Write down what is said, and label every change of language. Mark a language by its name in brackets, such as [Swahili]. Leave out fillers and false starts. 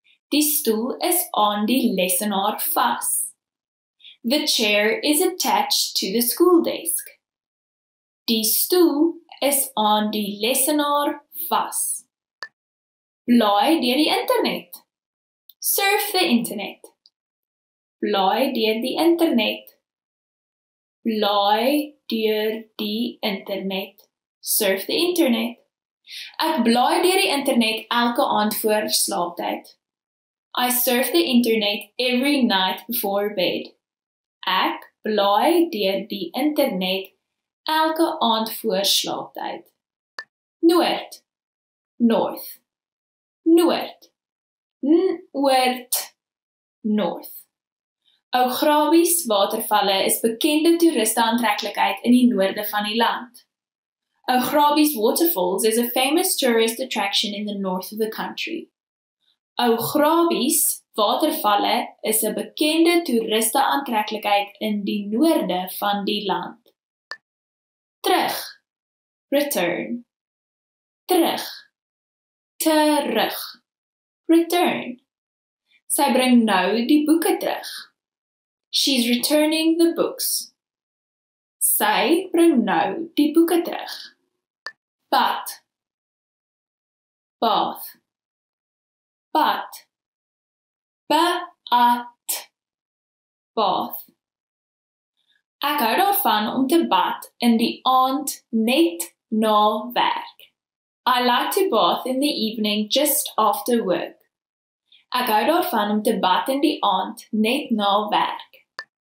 [Afrikaans] Die stoel is aan die lessenaar vas. [English] The chair is attached to the school desk. [Afrikaans] Die stoel is aan die lessenaar vas. Blaai deur die internet. [English] Surf the internet. [Afrikaans] Blaai deur die internet. Blaai deur die internet. [English] Surf the internet. [Afrikaans] Ek blaai deur die internet elke aand voor slaaptyd. [English] I surf the internet every night before bed. [Afrikaans] Ek blaai deur die internet elke aand voor slaaptyd. Noord. [English] North. [Afrikaans] Noord. Noord. [English] North. [Afrikaans] Ograwies watervalle is bekende toeriste aantreklikheid in die noorde van die land. [English] Ograwies waterfalls is a famous tourist attraction in the north of the country. [Afrikaans] Ograwies watervalle is 'n bekende toeriste aantreklikheid in die noorde van die land. Terug. Return. Terug. Terug. Return. Sy bring nou die boeke terug. [English] She's returning the books. [Afrikaans] Sy bring nou die boeke terug. Bad. [English] Bath. [Afrikaans] Bad. Ba-at. [English] Bath. [Afrikaans] Ek hou daarvan om te bad in die aand net na werk. [English] I like to bath in the evening just after work. [Afrikaans] Ek hou daarvan om te bad in die aand net na werk.